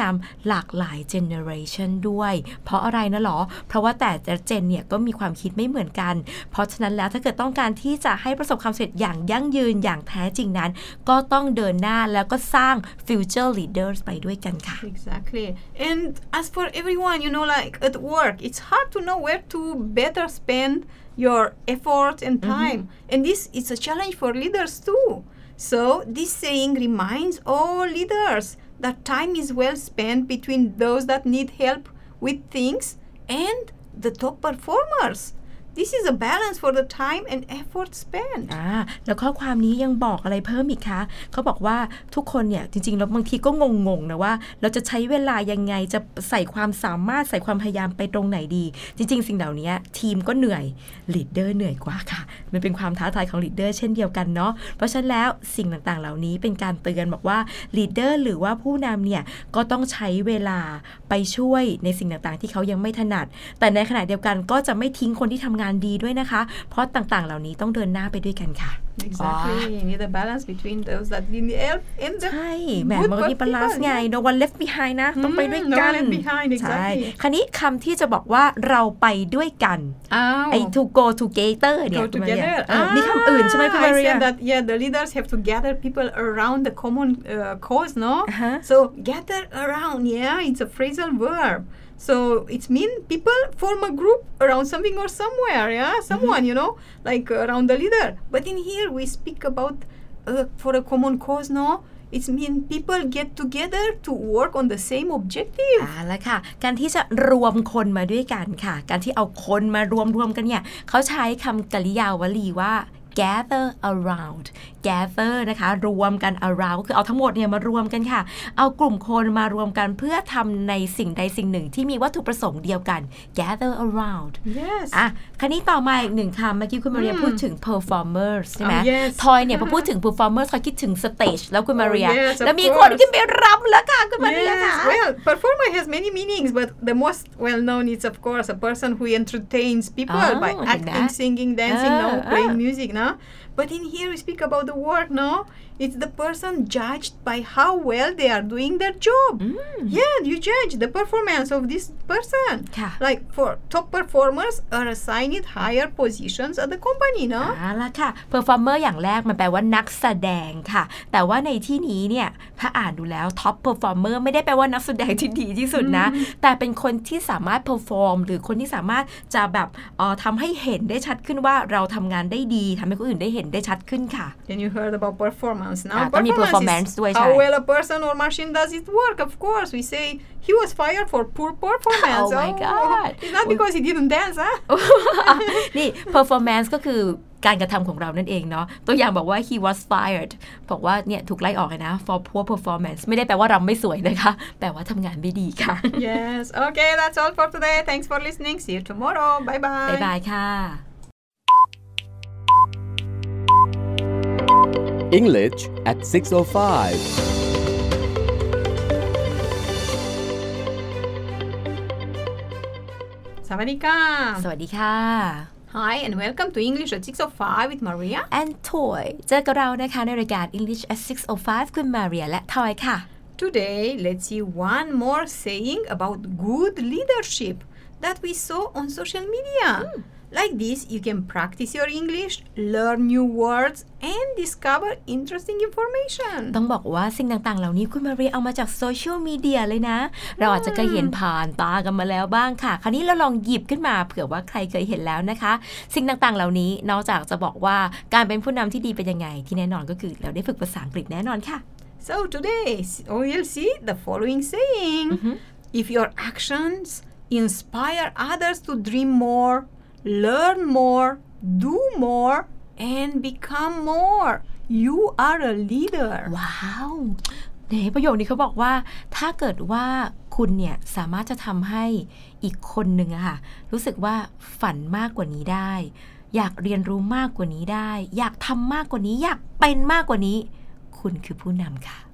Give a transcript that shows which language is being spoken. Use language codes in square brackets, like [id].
[th] นำหลากหลายเจเนอเรชันด้วยเพราะอะไรนะหรอเพราะว่าแต่ละเจนเนี่ยก็มีความคิดไม่เหมือนกันเพราะฉะนั้นแล้วถ้าเกิดต้องการที่จะให้ประสบความสำเร็จอย่างยั่งยืนอย่างแท้จริงนั้นก็ต้องเดินหน้าแล้วก็สร้าง [en] future leaders [th] ไปด้วยกันค่ะ [en] Exactly and as for everyone you know like at work it's hard to know where to better spend your effort and time mm-hmm. and this is a challenge for leaders tooSo this saying reminds all leaders that time is well spent between those that need help with things and the top performers. This is a balance for the time and effort spent. [th] แล้วข้อความนี้ยังบอกอะไรเพิ่มอีกคะเขาบอกว่าทุกคนเนี่ยจริงๆแล้วบางทีก็งงๆนะว่าเราจะใช้เวลายังไงจะใส่ความสามารถใส่ความพยายามไปตรงไหนดีจริงๆสิ่งเหล่านี้ทีมก็เหนื่อยลีดเดอร์เหนื่อยกว่าค่ะมันเป็นความท้าทายของลีดเดอร์เช่นเดียวกันเนาะเพราะฉะนั้นแล้วสิ่งต่างๆเหล่านี้เป็นการเตือนบอกว่าลีดเดอร์หรือว่าผู้นำเนี่ยก็ต้องใช้เวลา ไปช่วยในสิ่งต่างๆที่เขายังไม่ถนัดแต่ในขณะเดียวกันก็จะไม่ทิ้งคนที่ทำงานดีด้วยนะคะเพราะต่างๆเหล่านี้ต้องเดินหน้าไปด้วยกันค่ะ [en] Exactly you need a balance between those that need help and the [th] ใช่แหมมันมีบาลานซ์ไง [en] no one left behind [th] นะต้องไปด้วยกัน [en] no one left behind exactly ใช่ [th] คราวนี้คำที่จะบอกว่าเราไปด้วยกันไอ้ [en] to go together [th] เนี่ย [en] go together [th] มีคำอื่นใช่ไหมคุณ Maria [en] I said that yeah the leaders have to gather people around the common cause no so gather around yeah it's a phrasal verbSo it means people form a group around something or somewhere, yeah? Someone, mm-hmm. you know, like around the leader. But in here we speak about for a common cause, no? It means people get together to work on the same objective. [th] แล้วค่ะการที่จะรวมคนมาด้วยกันค่ะการที่เอาคนมารวมกันเนี่ยเขาใช้คำกริยาวลีว่า gather around gather นะคะรวมกัน around ก็คือเอาทั้งหมดเนี่ยมารวมกันค่ะเอากลุ่มคนมารวมกันเพื่อทำในสิ่งใดสิ่งหนึ่งที่มีวัตถุประสงค์เดียวกัน gather around [en] yes [th] คราวนี้ต่อมาอีกหนึ่งคำเมื่อกี้คุณมาเรียพูดถึง performers ใช่ไหม [en] yes. [th] ทอยเนี่ย พอพูดถึง performers เขาคิดถึง stage แล้วคุณมาเรีย [en] yes, [th] แล้วมี คนขึ้นไปรำแล้วค่ะคุณมาเรียค่ะ [en] well performer has many meanings but the most well known is of course a person who entertains people by acting singing dancing no playing music no but in here we speak aboutthe work no it's the person judged by how well they are doing their job yeah you judge the performance of this person like for top performers are assigned higher positions at the company no [th] ล่ะค่ะ performer อย่างแรกมันแปลว่านักแสดงค่ะแต่ว่าในที่นี้เนี่ยถ้าอ่านดูแล้ว top performer ไม่ได้แปลว่านักแสดงที่ดีที่สุดนะแต่เป็นคนที่สามารถ perform หรือคนที่สามารถจะแบบทำให้เห็นได้ชัดขึ้นว่าเราทำงานได้ดีทำให้คนอื่นได้เห็นได้ชัดขึ้นค่ะ [en] Can you heard about performance now performance is how well a person or machine does its work of course we say he was fired for poor performance oh my god it's not because he didn't dance [th] นี่ performance ก็คือการกระทำของเรานั่นเองเนาะตัวอย่างบอกว่า [en] he was fired [th] บอกว่าเนี่ยถูกไล่ออกเลยนะ [en] for poor performance [th] ไม่ได้แปลว่าเราไม่สวยนะคะแปลว่าทำงานไม่ดีค่ะ [en] yes okay that's all for today thanks for listening see you tomorrow bye bye bye bye ค่ะ English at 6:05 [th] สวัสดีค่ะ สวัสดีค่ะ [en] Hi and welcome to English at 6:05 with Maria [th] and Toy เจอกับเรานะคะในรายการ English at 6:05 คุณ Maria และ Toy ค่ะ [en] Today let's see one more saying about good leadership that we saw on social media Like this, you can practice your English, learn new words, and discover interesting information. [th] ต้องบอกว่าสิ่งต่างๆเหล่านี้คุณมาเรียเอามาจากโซเชียลมีเดียเลยนะเราอาจจะเคยเห็นผ่านตากันมาแล้วบ้างค่ะคราวนี้เราลองหยิบขึ้นมาเผื่อว่าใครเคยเห็นแล้วนะคะสิ่งต่างๆเหล่านี้นอกจากจะบอกว่าการเป็นผู้นำที่ดีเป็นยังไงที่แน่นอนก็คือเราได้ฝึกภาษาอังกฤษแน่นอนค่ะ [en] So today we'll see the following saying: If your actions inspire others to dream more. Learn more, do more, and become more. You are a leader. Wow. [th] ในประโยคนี้เขาบอกว่าถ้าเกิดว่าคุณเนี่ยสามารถจะทำให้อีกคนหนึ่งอะค่ะรู้สึกว่าฝันมากกว่านี้ได้อยากเรียนรู้มากกว่านี้ได้อยากทำมากกว่านี้อยากเป็นมากกว่านี้คุณคือผู้นำค่ะ